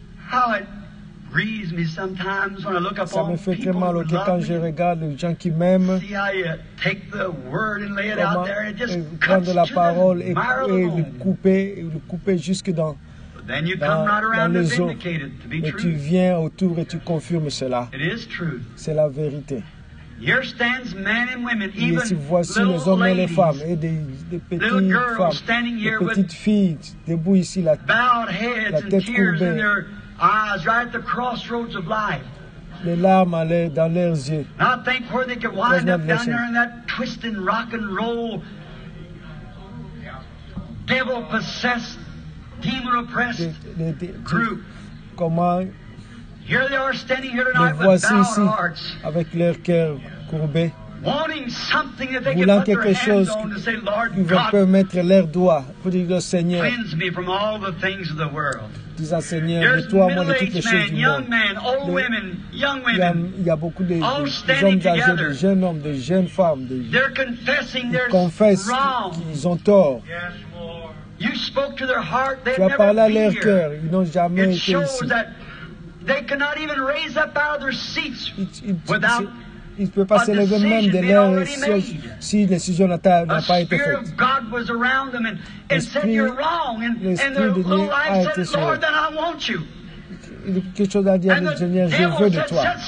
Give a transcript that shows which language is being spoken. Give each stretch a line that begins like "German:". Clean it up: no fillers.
English: how it grieves me sometimes when I look upon people
French: ça me fait très mal au cœur quand je regarde les gens qui m'aiment.
English: See how you take the word and lay it out there and just
French: prendre la parole et le couper jusque dans.
English: Then you come right around to vindicate it to be true.
French: Et tu viens autour et tu confirmes cela.
English: It is true.
French: C'est la vérité.
English: Here stands men and women, even
French: et ici, voici les hommes et les femmes et des petites
English: little girls
French: femmes,
English: standing here
French: des petites filles debout ici,
English: bowed heads
French: la tête
English: and tears in their eyes right at the crossroads of life.
French: Les larmes allaient dans leurs yeux.
English: Now think where they could wind up down there in that twisting rock and roll devil possessed demon oppressed group.
French: Comment
English: here they are standing here tonight with bowed
French: ici,
English: hearts,
French: avec leur cœur courbé,
English: wanting something that they can put their hands on to say, Lord God,
French: vous pouvez mettre leurs doigts pour dire le Seigneur,
English: cleanse me from all the things of the world.
French: Disant, Seigneur,
English: there's middle-aged men, young men, old women, young women.
French: Il y a beaucoup de hommes âgés, de jeunes hommes, de jeunes femmes.
English: They're confessing
French: ils confessent qu'ils ont tort.
English: Yes, Lord. You spoke to their heart.
French: Tu as parlé à leur cœur. Ils n'ont jamais
English: it
French: été ici.
English: They cannot even raise up out of their seats
French: ils ne peuvent pas se lever même de leur siège si la décision n'a pas été faite.
English: The Spirit of God was around them and said, you're wrong.
French: L'esprit
English: and the little life said, Lord, then I want you.
French: Quelque chose à dire, Seigneur, je veux de toi.